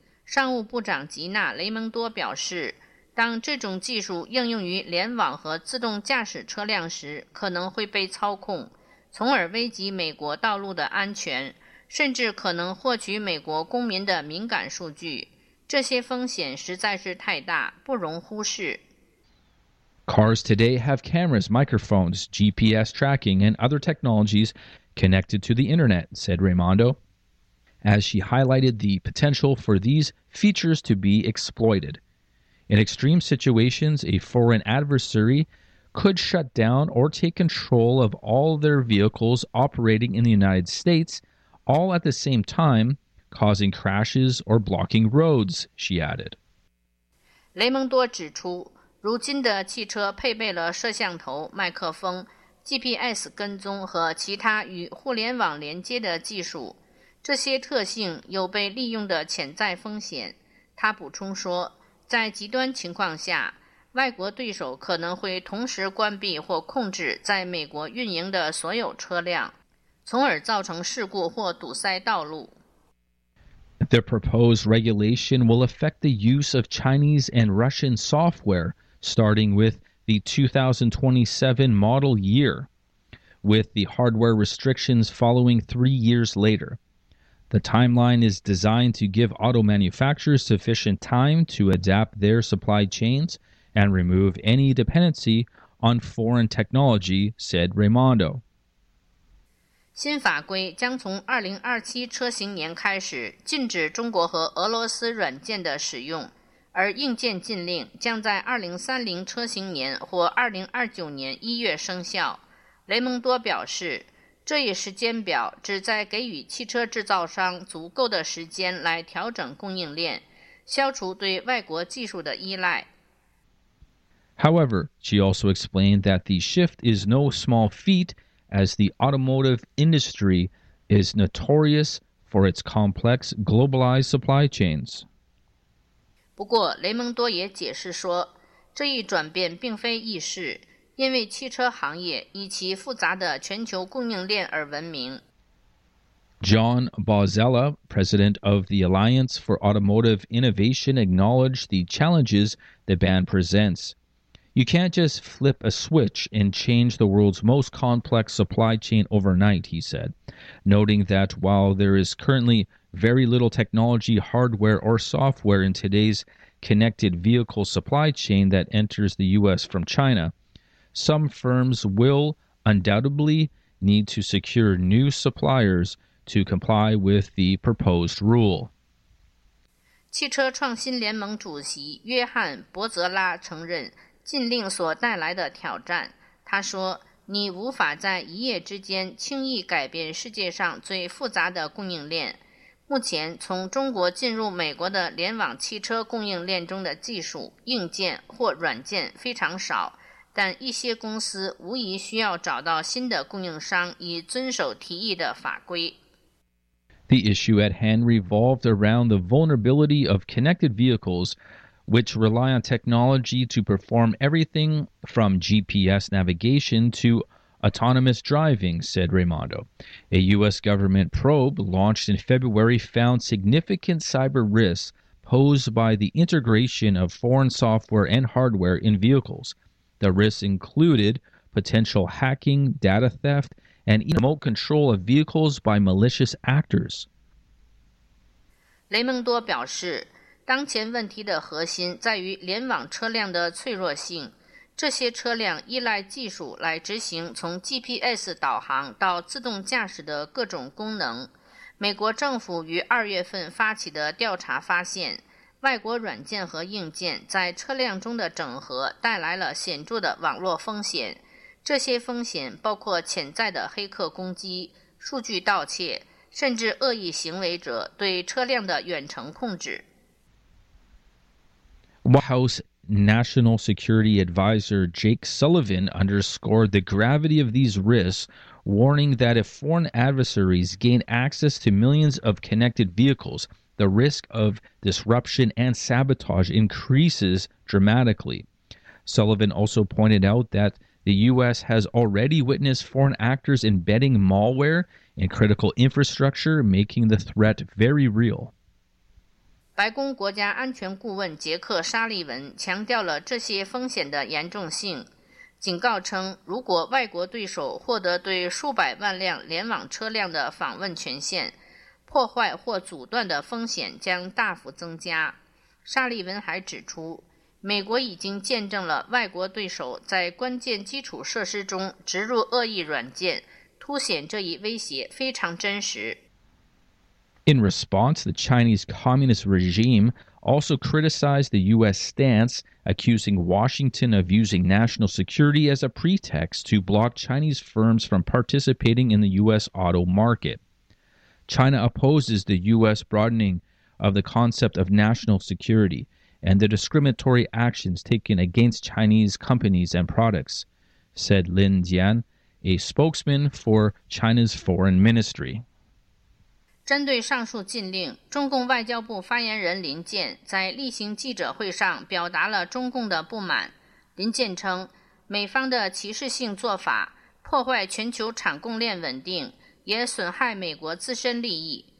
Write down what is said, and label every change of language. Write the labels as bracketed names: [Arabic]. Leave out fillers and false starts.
[Chinese] 商务部长吉娜·雷蒙多表示，当这种技术应用于联网和自动驾驶车辆时，可能会被操控，从而危及美国道路的安全，甚至可能获取美国公民的敏感数据。这些风险实在是太大，不容忽视。 [English] Cars today have cameras, microphones, GPS tracking, and other technologies connected to the internet, said Raimondo, as she highlighted the potential for these features to be exploited. In extreme situations, a foreign adversary could shut down or take control of all their vehicles operating in the United States, all at the same time, causing crashes or blocking roads, she added. [Chinese] 雷蒙多指出，如今的汽车配备了摄像头、麦克风、GPS 跟踪和其他与互联网连接的技术。这些特性有被利用的潜在风险。他补充说，在极端情况下，外国对手可能会同时关闭或控制在美国运营的所有车辆，从而造成事故或堵塞道路。 [English] The proposed regulation will affect the use of Chinese and Russian software starting with the 2027 model year, with the hardware restrictions following 3 years later. The timeline is designed to give auto manufacturers sufficient time to adapt their supply chains and remove any dependency on foreign technology, said Raimondo. [Chinese] 新法规将从2027车型年开始禁止中国和俄罗斯软件的使用，而硬件禁令将在2030车型年或2029年1月生效。雷蒙多表示，这一时间表旨在给予汽车制造商足够的时间来调整供应链，消除对外国技术的依赖。 [English] However, she also explained that the shift is no small feat, as the automotive industry is notorious for its complex globalized supply chains. [Chinese] 不过，雷蒙多也解释说，这一转变并非易事，因为汽车行业以其复杂的全球供应链而闻名。 [English] John Bozzella, president of the Alliance for Automotive Innovation, acknowledged the challenges the ban presents. You can't just flip a switch and change the world's most complex supply chain overnight, he said, noting that while there is currently very little technology, hardware, or software in today's connected vehicle supply chain that enters the U.S. from China,Some firms will undoubtedly need to secure new suppliers to comply with the proposed rule. [Chinese] 汽车创新联盟主席约翰·伯泽拉承认禁令所带来的挑战。他说，你无法在一夜之间轻易改变世界上最复杂的供应链。目前从中国进入美国的联网汽车供应链中的技术、硬件或软件非常少。但一些公司无疑需要找到新的供应商以遵守提议的法规。 [English] The issue at hand revolved around the vulnerability of connected vehicles, which rely on technology to perform everything from GPS navigation to Autonomous driving, said Raimondo. A U.S. government probe launched in February found significant cyber risks posed by the integration of foreign software and hardware in vehicles. The risks included potential hacking, data theft, and remote control of vehicles by malicious actors. [Chinese] 雷蒙多表示，当前问题的核心在于联网车辆的脆弱性。这些车辆依赖技术来执行从 GPS 导航到自动驾驶的各种功能。美国政府于二月份发起的调查发现，外国软件和硬件在车辆中的整合带来了显著的网络风险。这些风险包括潜在的黑客攻击、数据盗窃，甚至恶意行为者对车辆的远程控制。 [English] White House National Security Advisor Jake Sullivan underscored the gravity of these risks, warning that if foreign adversaries gain access to millions of connected vehicles, the risk of disruption and sabotage increases dramatically. Sullivan also pointed out that the U.S. has already witnessed foreign actors embedding malware in critical infrastructure, making the threat very real. [Chinese] 白宫国家安全顾问杰克·沙利文强调了这些风险的严重性，警告称，如果外国对手获得对数百万辆联网车辆的访问权限，破坏或阻断的风险将大幅增加。沙利文还指出，美国已经见证了外国对手在关键基础设施中植入恶意软件，凸显这一威胁非常真实。 [English] In response, the Chinese Communist regime also criticized the U.S. stance, accusing Washington of using national security as a pretext to block Chinese firms from participating in the U.S. auto market. China opposes the U.S. broadening of the concept of national security and the discriminatory actions taken against Chinese companies and products, said Lin Jian, a spokesman for China's foreign ministry. [Chinese] 针对上述禁令，中共外交部发言人林健在例行记者会上表达了中共的不满。林健称，美方的歧视性做法破坏全球产供链稳定，也损害美国自身利益。